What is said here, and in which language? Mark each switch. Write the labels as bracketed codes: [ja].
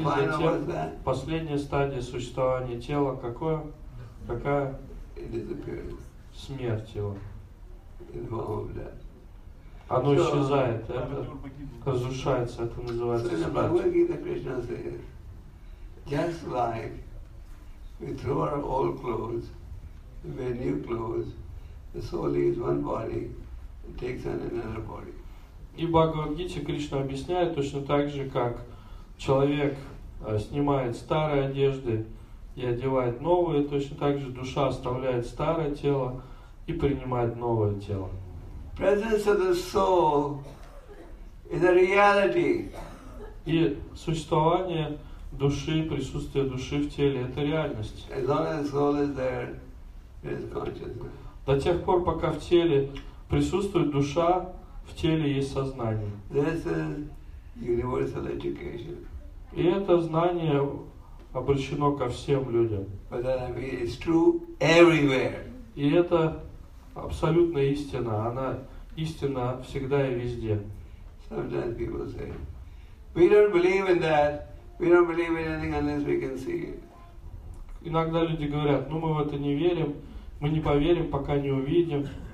[ru] и затем последняя стадия существования тела какое? Какая? Смерть тела. Оно [en] so, [ru] исчезает, это разрушается, это называется смерть. [en] Just like we throw our old clothes, we wear new clothes, the soul leaves one body and takes on another body. [ru] И Бхагавад-гите Кришна объясняет точно так же, как человек снимает старые одежды и одевает новые, точно так же душа оставляет старое тело и принимает новое тело. [en] Presence of the soul is a reality. [ru] И существование души, присутствие души в теле – это реальность. [en] As long as the soul is there, there is consciousness. [ru] До тех пор, пока в теле присутствует душа, в теле есть сознание. [en] This is universal education. [ru] И это знание обращено ко всем людям. [en] But that I mean, it's true everywhere. [ru] И это абсолютно истина. Она истина всегда и везде. [en] Sometimes people say, we don't believe in that. We don't believe in anything unless we can see it. [ru] Иногда люди говорят, ну мы в это не верим, мы не поверим, пока не увидим.